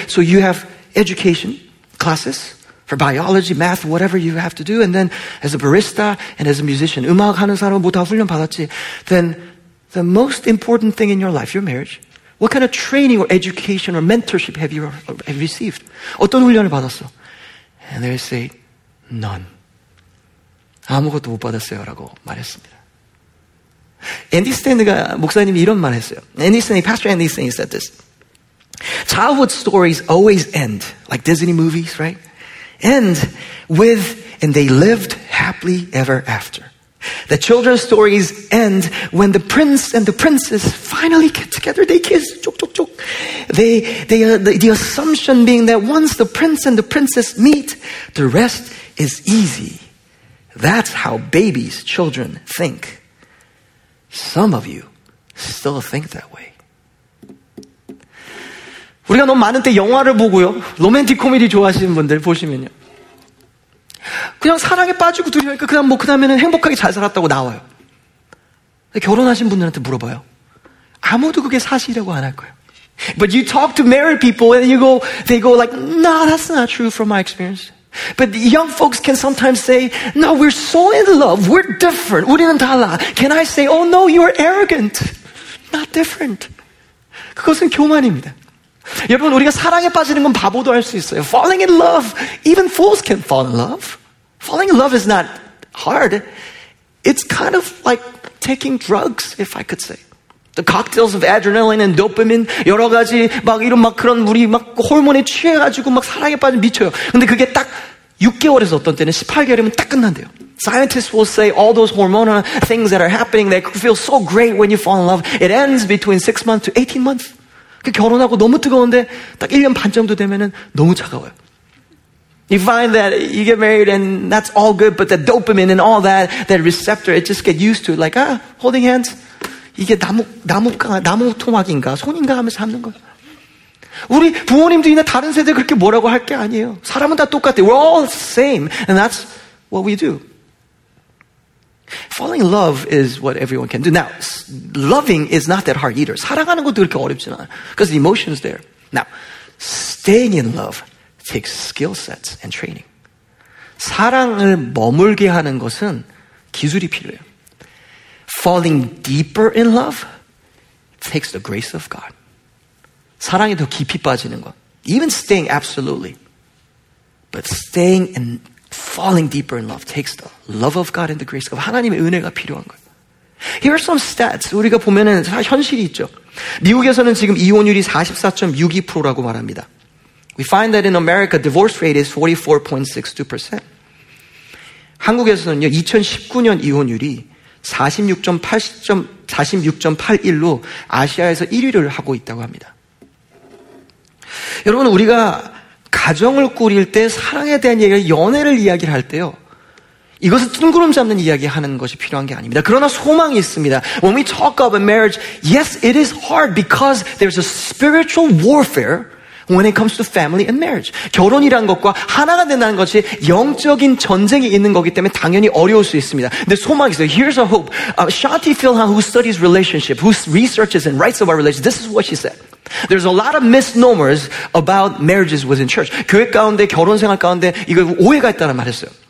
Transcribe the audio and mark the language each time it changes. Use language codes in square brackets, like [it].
[en] So you have education, classes, for biology, math, whatever you have to do, and then as a barista and as a musician, [ko] 음악 하는 사람은 다 훈련 받았지. [en] Then the most important thing in your life, your marriage, what kind of training or education or mentorship have you received? [ko] 어떤 훈련을 받았어? [en] And they say, none. [ko] 아무것도 못 받았어요라고 말했습니다. Andy Stanley가 목사님이 이런 말 했어요. Andy Stanley, [en] Pastor Andy Stanley said this. Childhood stories always end, like Disney movies, right? End with, and they lived happily ever after. The children's stories end when the prince and the princess finally get together. They kiss. Chok, chok, chok. The assumption being that once the prince and the princess meet, the rest is easy. That's how babies, children think. Some of you still think that way. [ko] 우리가 너무 많은 때 영화를 보고요. 로맨틱 코미디 좋아하시는 분들 보시면요. 그냥 사랑에 빠지고 두려우니까 그다음에는 행복하게 잘 살았다고 나와요. 결혼하신 분들한테 물어봐요. 아무도 그게 사실이라고 안 할 거예요. [en] But you talk to married people and you go, they go like, no, that's not true from my experience. But the young folks can sometimes say, no, we're so in love. We're different. [ko] 우리는 달라. [en] Can I say, oh no, you're arrogant. Not different. [ko] 그것은 교만입니다. 여러분 우리가 사랑에 빠지는 건 바보도 할 수 있어요. [en] Falling in love, even fools can fall in love. Falling in love is not hard. It's kind of like taking drugs, if I could say. The cocktails of adrenaline and dopamine, [ko] 여러 가지 막 이런 막 그런 우리 막 호르몬에 취해가지고 막 사랑에 빠지면 미쳐요. 근데 그게 딱 6개월에서 어떤 때는 18개월이면 딱 끝난대요. [en] Scientists will say all those hormonal things that are happening, they feel so great when you fall in love. It ends between 6 months to 18 months. [ko] 그 결혼하고 너무 뜨거운데 딱 1년 반 정도 되면은 너무 차가워요. [en] You find that you get married and that's all good, but the dopamine and all that, that receptor, it just get used to it. Like, ah, holding hands. [ko] 이게 나무토막인가 손인가 하면서 잡는 거예요. 우리 부모님들이나 다른 세대 그렇게 뭐라고 할 게 아니에요. 사람은 다 똑같아요. [en] We're all the same. And that's what we do. Falling in love is what everyone can do. Now, loving is not that hard either. [ko] 사랑하는 것도 그렇게 어렵지 않아요. [en] Because the emotion is there. Now, staying in love takes skill sets and training. [ko] 사랑을 머물게 하는 것은 기술이 필요해요. [en] Falling deeper in love takes the grace of God. [ko] 사랑이 더 깊이 빠지는 것. [en] Even staying absolutely. But staying and falling deeper in love takes the love of God and the grace of God. [ko] 하나님의 은혜가 필요한 것. [en] Here are some stats. [ko] 우리가 보면은 현실이 있죠. 미국에서는 지금 이혼율이 44.62%라고 말합니다. [en] We find that in America, divorce rate is 44.62%. [ko] 한국에서는요, 2019년 이혼율이 46.81로 아시아에서 1위를 하고 있다고 합니다. 여러분, 우리가 가정을 꾸릴 때 사랑에 대한 이야기를, 연애를 이야기를 할 때요, 이것을 뜬구름 잡는 이야기 하는 것이 필요한 게 아닙니다. 그러나 소망이 있습니다. [en] When we talk of a marriage, yes, it is hard because there's a spiritual warfare when it comes to family and marriage. [ko] 결혼이란 것과 하나가 된다는 것이 영적인 전쟁이 있는 거기 때문에 당연히 어려울 수 있습니다. 근데 소망이 있어요. [en] Here's a hope. Shanti Philhan, who studies relationship, who researches and writes about relationship, this is what she said. There's a lot of misnomers about marriages within church. [ko] 교회 가운데, 결혼 생활 가운데 이거 오해가 있다는 말 했어요.